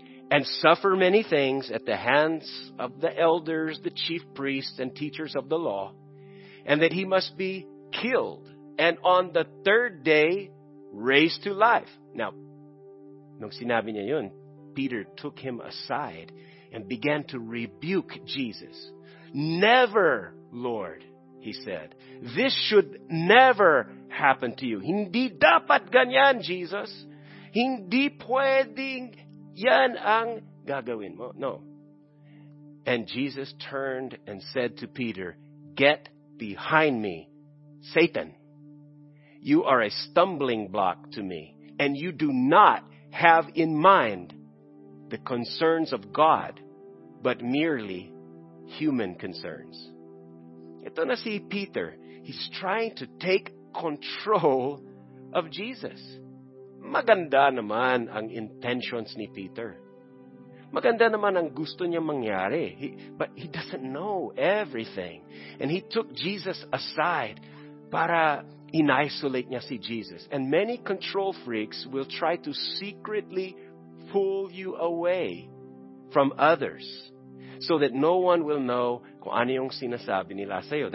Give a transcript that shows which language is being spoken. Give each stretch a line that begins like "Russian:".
English: and suffer many things at the hands of the elders, the chief priests, and teachers of the law, and that he must be killed, and on the third day raised to life. Now,
Filipino: nung sinabi niya yun,
English: Peter took him aside and began to rebuke Jesus. Never, Lord, he said. This should never happen to you.
Filipino: Hindi dapat ganyan, Jesus. Hindi pwedeng yan ang gagawin mo.
English: No. And Jesus turned and said to Peter, "Get behind me, Satan. You are a stumbling block to me, and you do not have in mind the concerns of God, but merely human concerns."
Filipino: Ito na si Peter.
English: He's trying to take control of Jesus.
Filipino: Maganda naman ang intentions ni Peter. Maganda naman ang gusto niya mangyari.
English: But he doesn't know everything. And he took Jesus aside
Filipino: para in-isolate niya si Jesus.
English: And many control freaks will try to secretly pull you away from others so that no one will know
Filipino: kung ano yung sinasabi nila sa'yo.